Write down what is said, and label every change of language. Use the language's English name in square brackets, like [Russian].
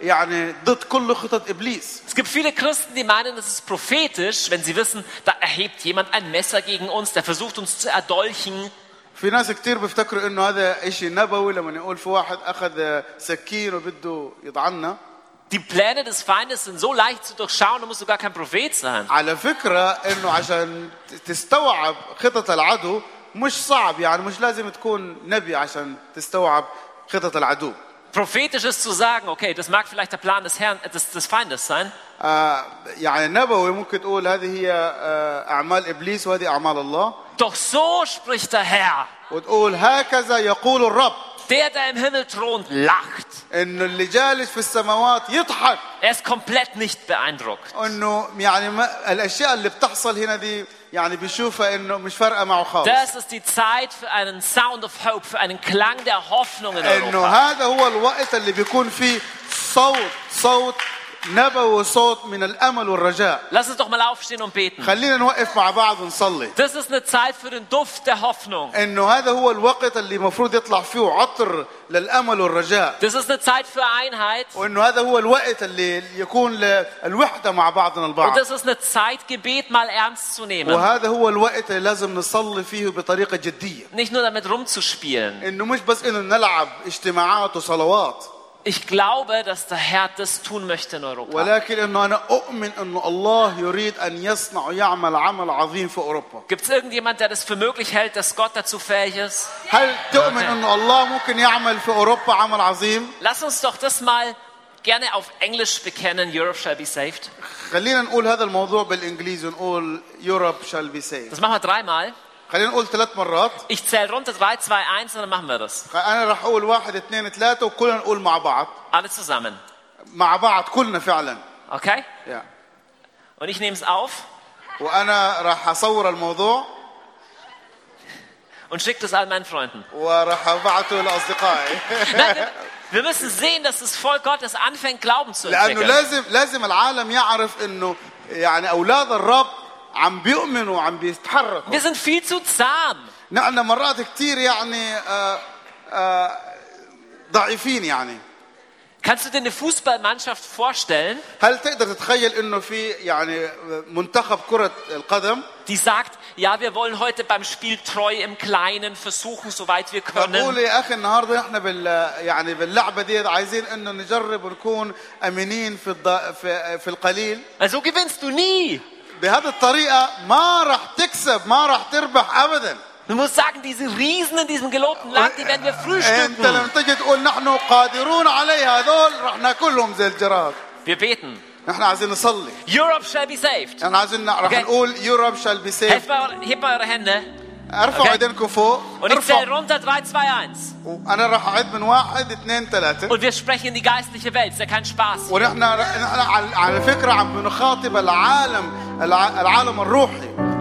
[German] Es gibt viele Christen, die meinen, es ist prophetisch, wenn sie wissen, da erhebt jemand ein Messer gegen uns, der versucht uns zu erdolchen. [Arabic] في ناس كتير بيفتكروا انه هذا شيء نبوي لما يقول في واحد اخذ سكين وبده يطعننا. [German] Die Pläne des Feindes sind so leicht zu durchschauen, du musst sogar kein Prophet sein. [Arabic] على فكره انه عشان تستوعب خطط العدو مش صعب يعني مش لازم تكون نبي عشان تستوعب خطط العدو. [German] Prophetisch ist zu sagen, okay, das mag vielleicht der Plan des Herrn des Feindes sein. [Arabic] يعني نبوي ممكن تقول هذه هي اعمال ابليس وهذه اعمال الله. [German] Doch so spricht der Herr. [Arabic] Und قول هكذا يقول الرب. [German] Der, der im Himmel thront, lacht. [Arabic] إنه اللي جالس في السماوات يضحك. [German] Er ist komplett nicht beeindruckt. [Arabic] إنه يعني الأشياء اللي بتحصل هنا دي يعني بيشوفها إنه مش فارقة معه خالص. [German] Das ist die Zeit für einen Sound of Hope, für einen Klang der Hoffnung in Europa. [Arabic] إنه هذا هو الوقت اللي بيكون فيه صوت نبوي صوت من الأمل والرجاء. [German] Lass uns doch mal aufstehen und beten. [Arabic] خلينا نوقف مع بعض ونصلي. [German] Das ist eine Zeit für den Duft der Hoffnung. [Arabic] إنه هذا هو الوقت اللي مفروض يطلع فيه عطر للأمل والرجاء. [German] Das ist eine Zeit für Einheit. [Arabic] وإنه هذا هو الوقت اللي يكون للوحدة مع بعضنا البعض. [German] Und das ist eine Zeit Gebet mal ernst zu nehmen. [Arabic] وهذا هو الوقت اللي لازم نصلي فيه بطريقة جدية. [German] Nicht nur damit rumzuspielen. [Arabic] إنه مش بس إنه نلعب اجتماعات وصلوات. [German] Ich glaube, dass der Herr das tun möchte in Europa. [Arabic] ولكن إنه أنا أؤمن إنه الله يريد أن يصنع ويعمل عمل عظيم في أوروبا. [German] Gibt's irgendjemand, der das für möglich hält, dass Gott dazu fähig ist? [Arabic] هل تؤمن إنه الله ممكن يعمل في أوروبا عمل عظيم؟ [German] Lass uns doch das mal gerne auf Englisch bekennen. [English] Europe shall be saved. [Arabic] خلينا نقول هذا الموضوع بالإنجليزي ونقول [English] Europe shall be saved. [German] Das machen wir dreimal. [Arabic] خلينا نقول ثلاث مرات. [German] Ich zähle runter 3, 2, 1 und dann machen wir das. [Arabic] أنا راح أقول 1, 2, 3 وكلنا نقول مع بعض. [German] Alle zusammen. [Arabic] مع بعض كلنا فعلا. [German] Okay. Ja. Und ich nehme es auf. [Arabic] وأنا راح أصور الموضوع. [German] Und schicke das all meinen Freunden. [Arabic] وراح أبعته لأصدقائي. [German] Wir müssen sehen, dass das Volk Gottes anfängt, Glauben zu entwickeln. [Arabic] لأنه لازم العالم يعرف إنه يعني أولاد الرب عم بيؤمنوا وعم بيتحركوا. [German] Wir sind viel zu zahm. [Arabic] نحن مرات كتير يعني ضعيفين يعني. [German] Kannst du dir eine Fußballmannschaft vorstellen? [Arabic] هل تقدر تتخيل إنه في يعني منتخب كرة القدم؟ [German] Die sagt, ja, wir wollen heute beim Spiel treu im Kleinen versuchen, soweit wir können. [Arabic] بقول يا أخي النهاردة إحنا بال يعني باللعبة دي عايزين إنه نجرب ونكون أمينين في القليل. [German] Also gewinnst du nie. [Arabic] بهذه الطريقة ما راح تكسب ما راح تربح أبدا. [German] Du musst sagen, diese Riesen in diesem gelobten Land, die werden wir frühstücken. [Arabic] أنت لما تجي تقول نحن قادرون عليها دول رح ناكلهم زي الجراد. [German] Wir beten. [Arabic] نحن عايزين نصلي. [English] Europe shall be saved. [Arabic] أنا عايزين نروح نقول [English] Europe shall be saved. هيب مع رهنة. [Arabic] ارفع ايدينكم فوق. ونرفع. رونتا 3-2-1. وأنا راح أعد من 1-2-3. [German] Und wir sprechen in die geistliche Welt. Es ist kein Spaß. [Arabic] ونحن على فكرة عم بنخاطب العالم العالم الروحي.